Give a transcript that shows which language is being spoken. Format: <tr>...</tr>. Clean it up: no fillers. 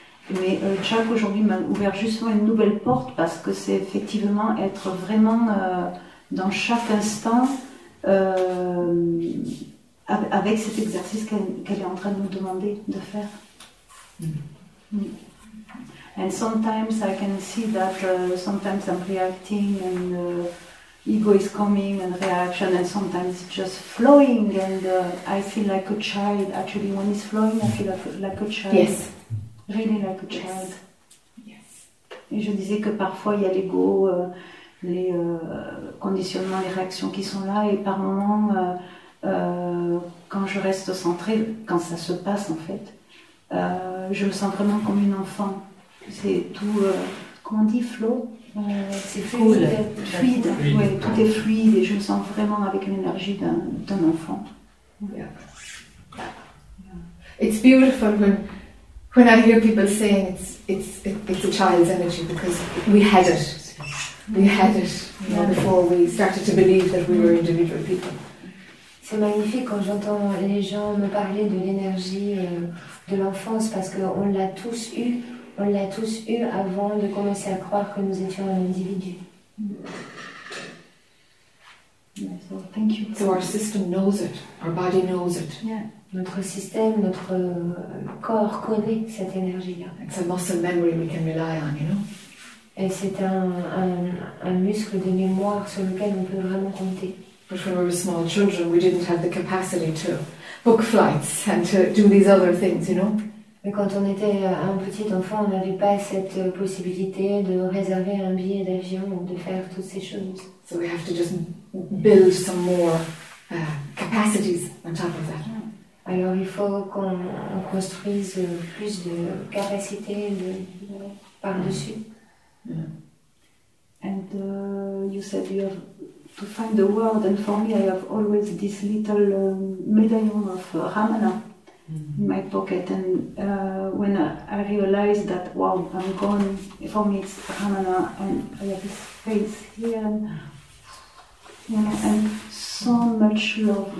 <fr>Mais Chuck aujourd'hui m'a ouvert justement une nouvelle porte parce que c'est effectivement être vraiment dans chaque instant avec cet exercice qu'elle est en train de nous demander de faire. Mm.</fr> <en>And sometimes I can see that sometimes I'm reacting and ego is coming and reaction and sometimes just flowing and I feel like a child. Actually, when it's flowing, I feel like a child. Yes. Really like a child. Yes. Yes.</en> <fr>Et je disais que parfois il y a l'ego, les conditionnements, les réactions qui sont là et par moments, quand je reste centrée, quand ça se passe en fait, je me sens vraiment comme une enfant. c'est tout, comment on dit, flow, c'est cool, fluide, ouais, tout est fluide et je me sens vraiment avec l'énergie d'un enfant.</fr> <en>Yeah. It's beautiful when I hear people saying it's a child's energy because we had it. We had it before we started to believe that we were individual people.</en> <fr>C'est magnifique quand j'entends les gens me parler de l'énergie de l'enfance parce qu'on l'a tous eu. On l'a tous eu avant de commencer à croire que nous étions un individu.</fr> <en>So, thank you. So our system knows it. Our body knows it. Yeah.</en> <fr>Notre système, notre corps connaît cette énergie-là.</fr> <en>It's a muscle memory we can rely on, you know?</en> <fr>Et c'est un muscle de mémoire sur lequel on peut vraiment compter.</fr> <en>But when we were small children, we didn't have the capacity to book flights and to do these other things, you know?</en> <fr>Mais quand on était un petit enfant, on n'avait pas cette possibilité de réserver un billet d'avion ou de faire toutes ces choses.</fr> <en>So we have to just build some more capacities on top of that.</en> <fr>Alors il faut qu'on construise plus de capacités par-dessus.</fr> <en>Yeah. And you said you have to find the world, and for me I have always this little medallion of Ramana in my pocket, and when I realized that, wow, I'm gone, for me it's Ramana, and I have this face here, and, you know, and so much love.</en>